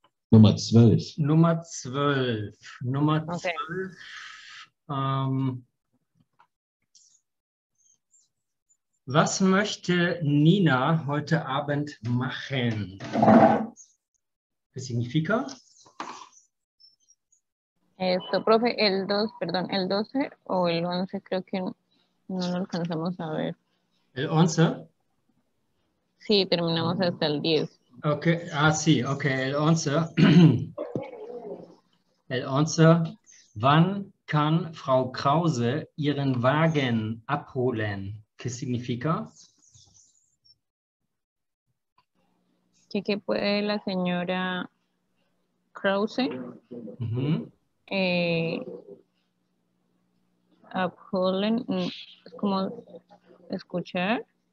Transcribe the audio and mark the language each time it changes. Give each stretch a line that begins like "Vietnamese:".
German: Nummer 12. Nummer 12. Nummer 12. Was möchte Nina heute Abend machen?
Spanish: ¿Qué significa? Esto, profe, el 2, perdón, el 12 o el 11, creo que no lo alcanzamos a ver. ¿El 11? Sí, terminamos hasta el 10. Ok, ah, sí, ok, el 11. El 11.
German: ¿Wann kann Frau Krause ihren Wagen abholen?
Spanish: ¿Qué significa? ¿Qué puede la señora Krause uh-huh. Abholen? ¿Es como escuchar?